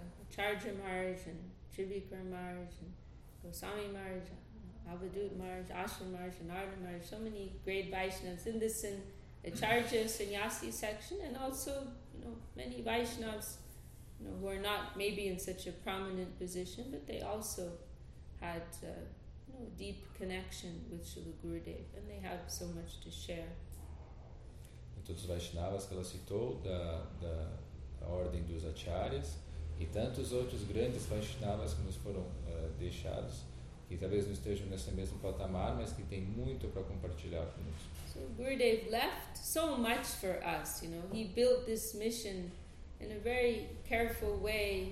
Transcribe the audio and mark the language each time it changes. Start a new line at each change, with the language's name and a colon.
English: Charja Maharaj and Tribhikar Maharaj and Goswami Maharaj, Avadut Maharaj, Ashram Maharaj and Narada Maharaj, so many great Vaishnavas in this in the Charja Sannyasi section, and also many Vaishnavas who are not maybe in such a prominent position, but they also had deep connection with Srila Gurudev, and they have so much to share.
Portuguese: Todos os Vaishnavas que ela citou da ordem dos Acharyas e tantos outros grandes Vaishnavas que nos foram deixados, que talvez não estejam nesse mesmo patamar, mas que têm muito para compartilhar conosco.
English: So Gurudev left so much for us, He built this mission in a very careful way.